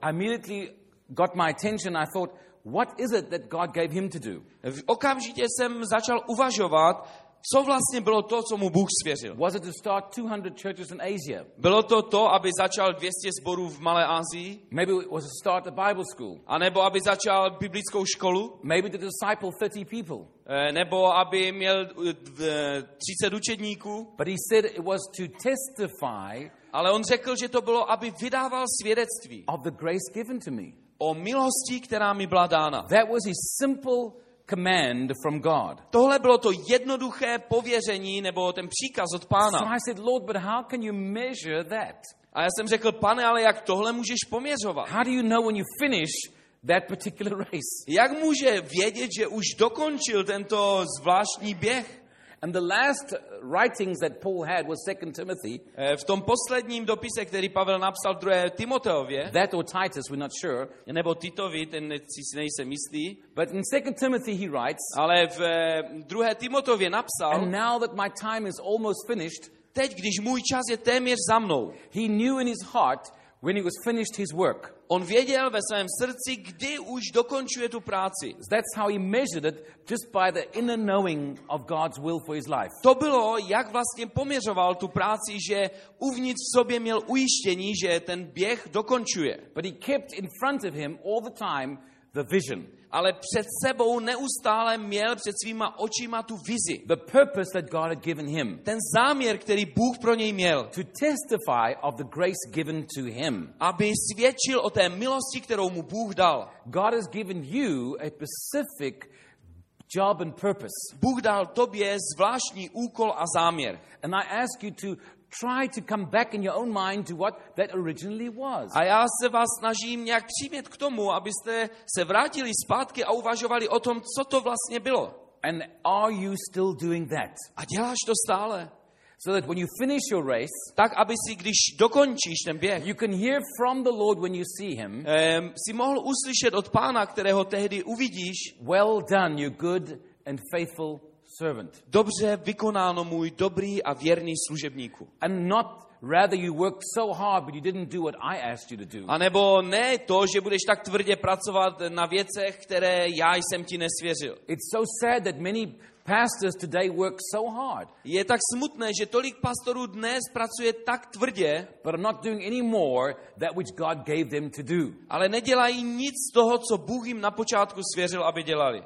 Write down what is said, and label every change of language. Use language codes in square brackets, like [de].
[en] I immediately got my attention. I thought, what is it that God gave him to do? [cs] Okamžitě jsem začal uvažovat, co vlastně bylo to, co mu Bůh svěřil. [en] Was it to start 200 churches in Asia? [cs] Bylo to to, aby začal 200 sborů v Malé Asii? [en] Maybe it was to start a Bible school. [cs] A nebo aby začal biblickou školu? [en] Maybe to disciple 30 people. [cs] Nebo aby měl 30 učedníků? [en] But he said it was to testify. [cs] Ale on řekl, že to bylo, aby vydával svědectví. [en] Of the grace given to me. [cs] O milosti, která mi byla dána. [en] That was a simple command from God. [cs] Tohle bylo to jednoduché pověření nebo ten příkaz od Pána. [en] So I said, Lord, but how can you measure that? [cs] A já jsem řekl, Pane, ale jak tohle můžeš poměřovat? [en] How do you know when you finish that particular race? [cs] Jak může vědět, že už dokončil tento zvláštní běh? [en] And the last writings that Paul had was 2 Timothy. [cs] V tom posledním dopise, který Pavel napsal 2. Timoteovi, [en] that or Titus, we're not sure. [cs] Nebo Titovi, ten si nejsem jistý. [en] But in 2 Timothy he writes. [cs] Ale v 2. Timoteovi napsal. [en] And now that my time is almost finished, [cs] teď když můj čas je téměř za mnou. [en] He knew in his heart when he was finished his work. [cs] On věděl ve svém srdci, kdy už dokončuje tu práci. [en] That's how he measured it, just by the inner knowing of God's will for his life. [cs] To bylo, jak vlastně poměřoval tu práci, že uvnitř v sobě měl ujištění, že ten běh dokončuje. [en] But he kept in front of him all the time the vision. [cs] Ale před sebou neustále měl před svýma očima tu vizi. [en] The purpose that God had given him. [cs] Ten záměr, který Bůh pro něj měl. [en] To testify of the grace given to him. [cs] Aby svědčil o té milosti, kterou mu Bůh dal. [en] God has given you a specific job and purpose. [cs] Bůh dal tobě zvláštní úkol a záměr. [en] And I ask you to try to come back in your own mind to what that originally was. [cs] A já se vás snažím nějak přimět k tomu, abyste se vrátili zpátky a uvažovali o tom, co to vlastně bylo. [en] And are you still doing that? [cs] A děláš to stále? [en] So that when you finish your race, [cs] tak aby si, když dokončíš ten běh, [en] you can hear from the Lord when you see him, [cs] si mohl uslyšet od Pána, kterého tehdy uvidíš, [en] well done, you good and faithful servant. [cs] Dobře vykonáno, můj dobrý a věrný služebníku. [en] And not rather you worked so hard but you didn't do what I asked you to do. [cs] A nebo ne to, že budeš tak tvrdě pracovat na věcech, které já jsem ti nesvěřil. [en] It's so sad that many pastors today work so hard. [cs] Je tak smutné, že tolik pastorů dnes pracuje tak tvrdě, [en] but are not doing any more that which God gave them to do. [cs] Ale nedělají nic z toho, co Bůh jim na počátku svěřil, aby dělali.